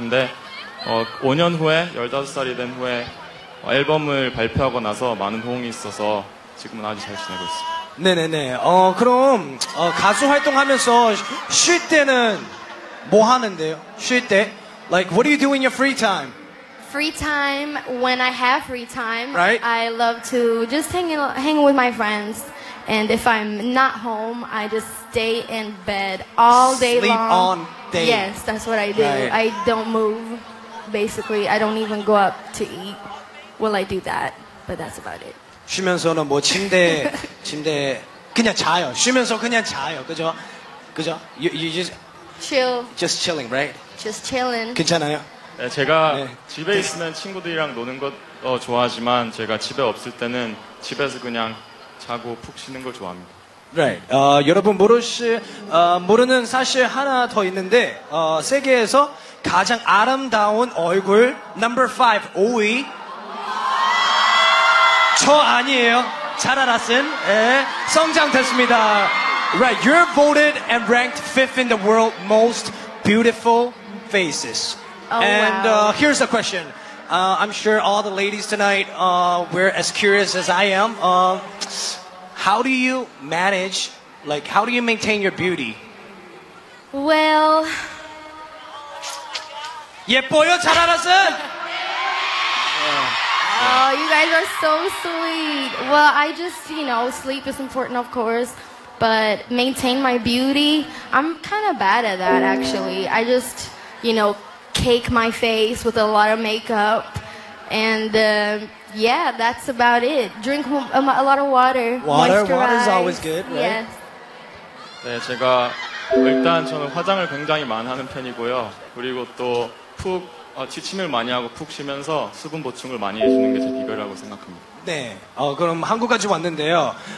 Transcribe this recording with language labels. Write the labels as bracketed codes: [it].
[ko] 근데 5년 후에, 15살이 된 후에 앨범을 발표하고 나서 많은 호응이 있어서 지금은 아주 잘 지내고 있습니다. 네네네. 그럼 가수 활동하면서 쉴 때는 뭐 하는데요? 쉴 때? [en] Like, what do you do in your free time? Free time, when I have free time, right? I love to just hang with my friends. And if I'm not home, I just stay in bed all day Sleep long. Sleep all day. Yes, that's what I do. Right. I don't move, basically. I don't even go up to eat. Well, I do that, but that's about it. [ko] 쉬면서는 뭐 침대 그냥 자요. 쉬면서 그냥 자요. 그죠? [en] You just chill. Just chilling, right? Just chilling. [ko] 괜찮아요? 네, 제가 네. 집에 있으면 친구들이랑 노는 것도 좋아하지만 제가 집에 없을 때는 집에서 그냥 자고 푹 쉬는 걸 좋아합니다. [en] Right. [ko] 여러분 모르는 사실 하나 더 있는데 세계에서 가장 아름다운 얼굴 number 5 5위 저 아니에요. 자라 라슨 예. 성장됐습니다. Right. [en] You're voted and ranked 5th in the world most beautiful faces. Oh, and wow. Here's a question. I'm sure all the ladies tonight were as curious as I am. How do you manage, like, how do you maintain your beauty? Well... [ko] 예뻐요, 잘 알았어? [en] Oh, you guys are so sweet. Well, I just, you know, sleep is important, of course. But maintain my beauty, I'm kind of bad at that, actually. I just, you know... cake my face with a lot of makeup and yeah, that's about it. Drink a lot of water. Water, water is always good, right? Yes. [ko] 네, 제가 일단 저는 화장을 굉장히 많이 하는 편이고요. 그리고 또 푹 취침을 많이 하고 푹 쉬면서 수분 보충을 많이 해 주는 게 제 비결이라고 생각합니다. 네. 그럼 한국까지 왔는데요.